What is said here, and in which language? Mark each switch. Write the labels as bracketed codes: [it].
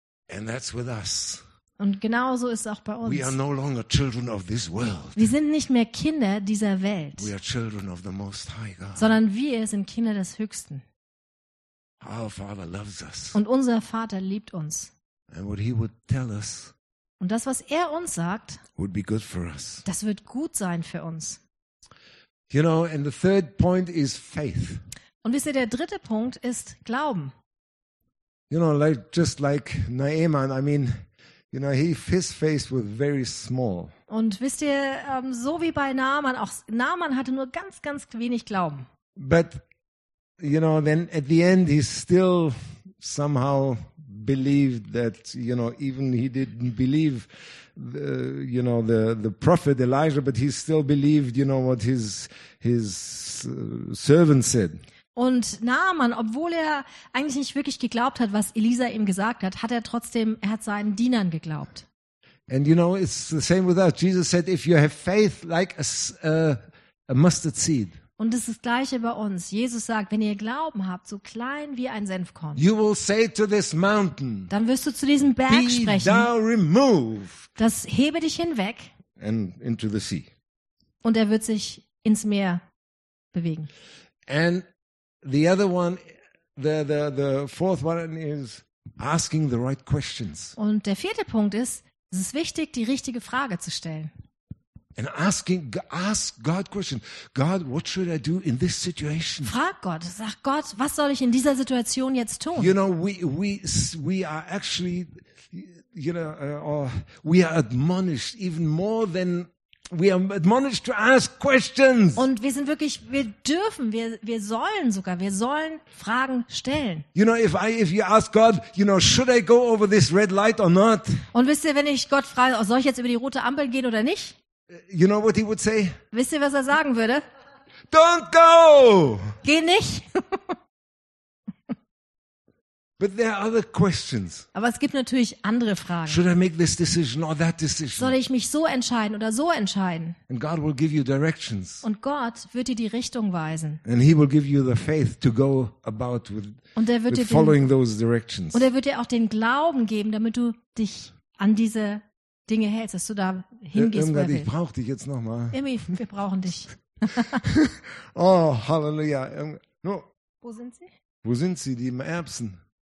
[de] Und genau so ist es auch bei uns. [en] We are no longer children of this world. [de] Wir sind nicht mehr Kinder dieser Welt, [en] we are children of the Most High God. [de] Sondern wir sind Kinder des Höchsten. [en] Our Father loves us. [de] Und unser Vater liebt uns. [en] And what he would tell us, [de] und das, was er uns sagt, [en] would be good for us. [de] Das wird gut sein für uns. [en] You know, and the third point is faith. [de] Und wisst ihr, der dritte Punkt ist Glauben. [en] You know, like just like Naaman, I mean, you know, his faith was very small. [de] Und wisst ihr, so wie bei Naaman, auch Naaman hatte nur ganz, ganz wenig Glauben. [en] But, you know, then at the end he still somehow believed that, you know, even he didn't believe the prophet Elijah, but he still believed, you know, what his servant said. [de] Und Naaman, obwohl er eigentlich nicht wirklich geglaubt hat, was Elisa ihm gesagt hat, hat er seinen Dienern geglaubt. [en] And you know, it's the same with us. Jesus said, if you have faith like a mustard seed. [de] Und es ist das Gleiche bei uns. Jesus sagt, wenn ihr Glauben habt, so klein wie ein Senfkorn, [en] you will say to this mountain, [de] dann wirst du zu diesem Berg sprechen, [en] be thou removed, [de] das hebe dich hinweg [en] and into the sea. [de] Und er wird sich ins Meer bewegen. [en] And the other one, the fourth one is asking the right questions. [de] Und der vierte Punkt ist, es ist wichtig, die richtige Frage zu stellen. [en] And ask God question. God, what should I do in this situation? [de] Frag Gott, sag Gott, was soll ich in dieser Situation jetzt tun? [en] You know, we are actually, you know, we are admonished even more than we are admonished to ask questions. [de] Und wir sind wirklich, wir sollen Fragen stellen. [en] You know, if you ask God, you know, should I go over this red light or not? [de] Und wisst ihr, wenn ich Gott frage, oh, soll ich jetzt über die rote Ampel gehen oder nicht? [en] You know what he would say? [de] Wisst ihr, was er sagen würde? [en] Don't go! [de] Geh nicht! [en] But there are other questions. [de] Aber es gibt natürlich andere Fragen. [en] Should I make this decision or that decision? [de] Soll ich mich so entscheiden oder so entscheiden? [en] And God will give you directions. [de] Und Gott wird dir die Richtung weisen. [en] And he will give you the faith to go about with, [de] und er wird [en] with [de] dir den, [en] following those directions. [de] Und er wird dir auch den Glauben geben, damit du dich an diese Dinge hältst, dass du da hingehst. Irmgard, ich brauche dich jetzt nochmal. Irmi, wir brauchen dich. [en] Oh, Halleluja. No. [de] Wo sind sie? Wo sind sie, die Erbsen?